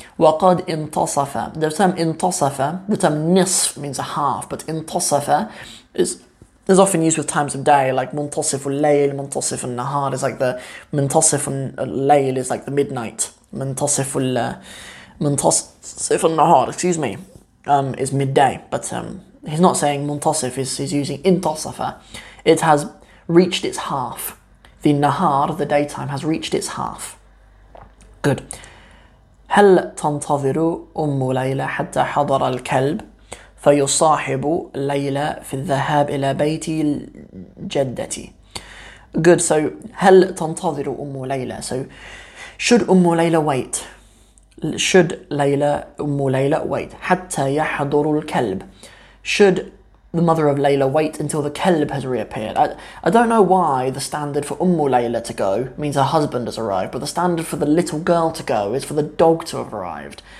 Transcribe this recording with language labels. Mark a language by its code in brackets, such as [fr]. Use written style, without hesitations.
[ar] وَقَدْ انْتَصَفَ, [en] the term انْتَصَفَ, the term نِصْف means a half, but انْتَصَفَ is often used with times of day, like [ar] مُنْتَصِفُ اللَّيْلِ, مُنْتَصِفُ النَّهَارِ [en] is like the, مُنْتَصِفُ اللَّيْلِ is like the midnight, مُنْتَصِفُ النَّهَارِ, excuse me, is midday, but he's not saying مُنْتَصِف, he's using انْتَصَفَ. It has reached its half. The Nahar, the daytime, has reached its half. Good. [ar] هل تنتظر أم ليلى حتى حضر الكلب فيصاحب ليلى في الذهاب إلى بيت جدتي. [en] Good. So [ar] هل تنتظر أم ليلى, [en] so should أم ليلى wait, should ليلى أم ليلى wait [ar] حتى يحضر الكلب, [en] should the mother of Layla wait until the kelb has reappeared. I don't know why the standard for Ummu Layla to go means her husband has arrived, but the standard for the little girl to go is for the dog to have arrived.